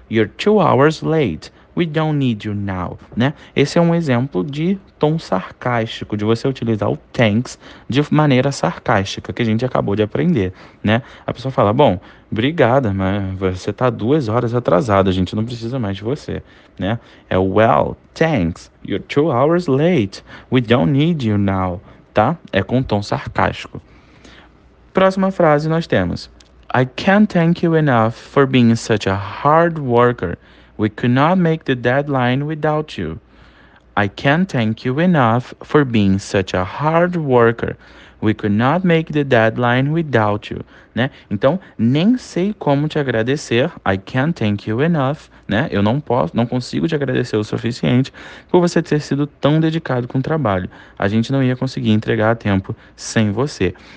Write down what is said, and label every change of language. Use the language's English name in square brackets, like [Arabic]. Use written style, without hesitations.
[English] You're 2 hours late. We don't need you now, né? [Portuguese] Esse é um exemplo de tom sarcástico, de você utilizar o thanks de maneira sarcástica, que a gente acabou de aprender, né? A pessoa fala, bom, obrigada, mas você tá 2 horas atrasada, a gente não precisa mais de você, né? [English] É, well, thanks, you're 2 hours late, we don't need you now, tá? [Portuguese] É com tom sarcástico. Próxima frase nós temos, [English] I can't thank you enough for being such a hard worker. We could not make the deadline without you. I can't thank you enough for being such a hard worker. We could not make the deadline without you. [Portuguese] Né? Então, nem sei como te agradecer. [English] I can't thank you enough. [Portuguese] Né? Eu não posso, não consigo te agradecer o suficiente por você ter sido tão dedicado com o trabalho. A gente não ia conseguir entregar a tempo sem você.